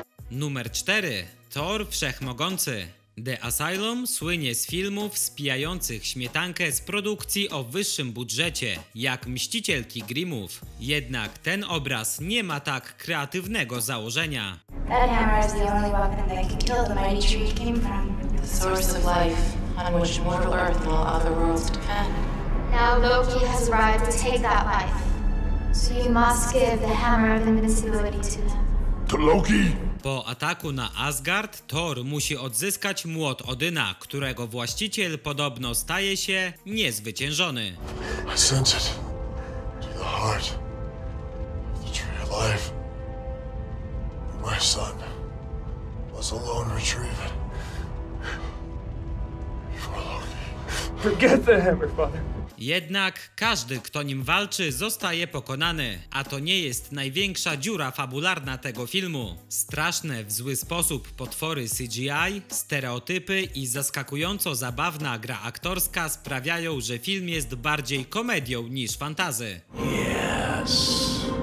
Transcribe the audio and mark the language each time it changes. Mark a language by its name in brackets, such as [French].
[Polish] Numer 4. Thor Wszechmogący. The Asylum słynie z filmów spijających śmietankę z produkcji o wyższym budżecie, jak Mścicielki Grimmów. Jednak ten obraz nie ma tak kreatywnego założenia. [English] That hammer is the only weapon that can kill the mighty tree it came from. The source of life on which mortal earth and all other worlds depend. Now Loki has arrived to take that life. So you must give the hammer of invincibility to him. To Loki! [Polish] Po ataku na Asgard, Thor musi odzyskać młot Odyna, którego właściciel podobno staje się niezwyciężony. [English] I sense it. To the heart. The tree of life. My son was alone retrieved. Forget the hammer, father. [Polish] Jednak każdy, kto nim walczy, zostaje pokonany, a to nie jest największa dziura fabularna tego filmu. Straszne w zły sposób potwory CGI, stereotypy i zaskakująco zabawna gra aktorska sprawiają, że film jest bardziej komedią niż fantasy. [English] Yes.